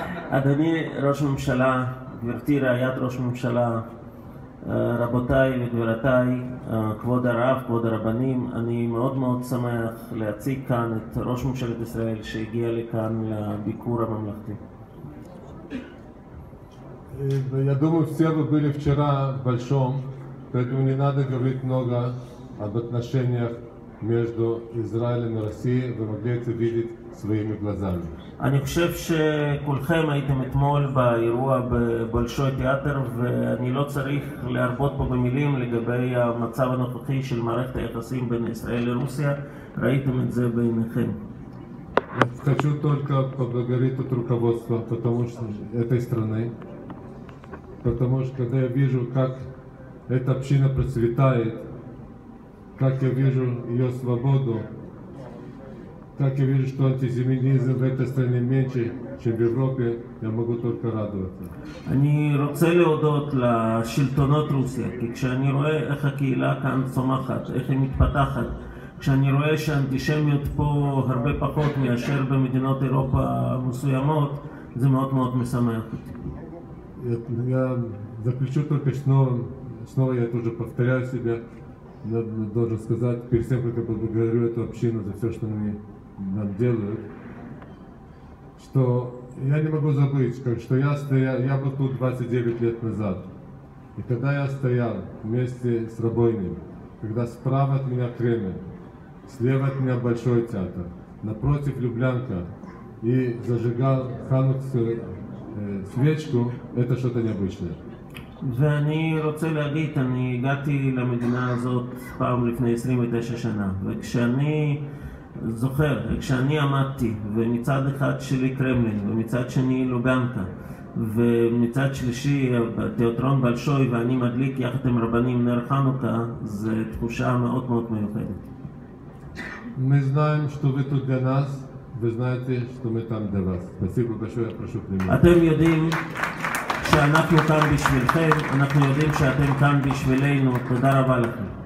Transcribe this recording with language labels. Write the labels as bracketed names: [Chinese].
[Hebrew] אדוני ראש הממשלה, גברתי רעיית ראש הממשלה, רבותיי וגבירותיי, כבוד הרב, כבוד הרבנים, אני מאוד מאוד שמח להציג כאן את ראש ממשלת ישראל שהגיע לכאן לביקור הממלכתי. וידומו סייבו בלי פצ'רה בלשום, פתאום נינדה גברית נוגה, הבתנשניה, [Russian] между Израилем и Россией, вы могли это видеть своими глазами. [Hebrew] אני חושב שכולכם הייתם אתמול באירוע בבולשוי תיאטר, ואני לא צריך להרבות פה במילים לגבי המצב הנוכחי של מערכת היחסים בין ישראל לרוסיה, ראיתם את זה בעיניכם. [Russian] Хочу только поблагодарить от руководства, потому что этой страны, потому что когда я вижу, как эта община процветает, как я вижу ее свободу, как я вижу, что антисемитизм в этой стране меньше, чем в Европе, я могу только радоваться. [Hebrew] אני רוצה להודות לשלטונות רוסיה, כי כשאני רואה איך הקהילה כאן צומחת, איך היא מתפתחת, כשאני רואה שהאנטישמיות פה הרבה פחות מאשר במדינות אירופה מסוימות, זה מאוד מאוד משמח. [Russian] Я заключу только снова я тоже повторяю себя, я должен сказать перед тем, как я поблагодарю эту общину за все, что они нам делают, что я не могу забыть, как, что я стоял, я был тут 29 лет назад, и когда я стоял вместе с рабойнями, когда справа от меня Кремль, слева от меня Большой театр, напротив Люблянка, и зажигал ханукскую свечку, это что-то необычное. [Hebrew] ואני רוצה להגיד, אני הגעתי למדינה הזאת פעם לפני 29 שנה, וכשאני זוכר, כשאני עמדתי, ומצד אחד שלי קרמלין, ומצד שני לוגנקה, ומצד שלישי תיאטרון בלשוי, ואני מדליק יחד עם רבנים נר חנוכה, זו תחושה מאוד מאוד מיוחדת. [Russian] Мы знаем, что вы тут для нас, вы знаете, что мы там для вас. Спасибо большое, прошу примите. [Hebrew] אתם יודעים שאנחנו כאן בשבילכם, אנחנו יודעים שאתם כאן בשבילנו, תודה רבה לכם.